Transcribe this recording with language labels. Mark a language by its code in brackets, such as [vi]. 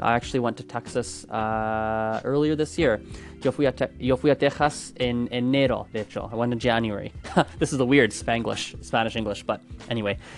[en] I actually went to Texas earlier this year. [es] Yo fui a Texas en enero, de hecho. [en] I went in January. This is a weird Spanish-English, but anyway.